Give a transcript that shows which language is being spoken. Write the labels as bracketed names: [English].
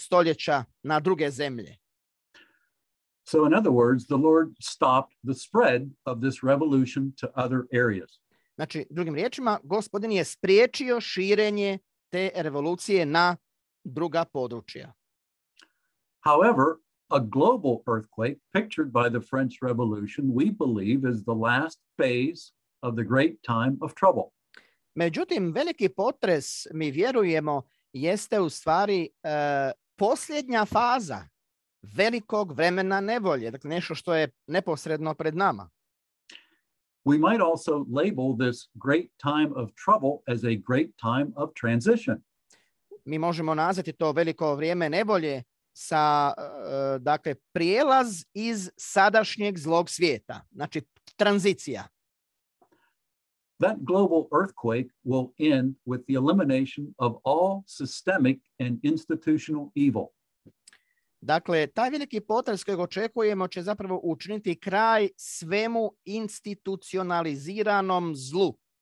[Croatian] stoljeća na druge zemlje. [English] So in other words, the Lord stopped the spread of this revolution to other areas. [Croatian] Znači, drugim riječima, Gospodin je spriječio širenje te revolucije na druga područja. [English] However, a global earthquake pictured by the French Revolution, we believe, is the last phase of the great time of trouble. [Croatian] Međutim, veliki potres, mi vjerujemo, jeste u stvari posljednja faza velikog vremena nevolje, dakle nešto što je neposredno pred nama. [English] We might also label this great time of trouble as a great time of transition. [Croatian] Mi možemo nazvati to veliko vrijeme nevolje sa, dakle, prijelaz iz sadašnjeg zlog svijeta, znači tranzicija. [English] That global earthquake will end with the elimination of all systemic and institutional evil. [Croatian] Dakle, taj veliki potres kojeg očekujemo će zapravo učiniti kraj svemu institucionaliziranom zlu.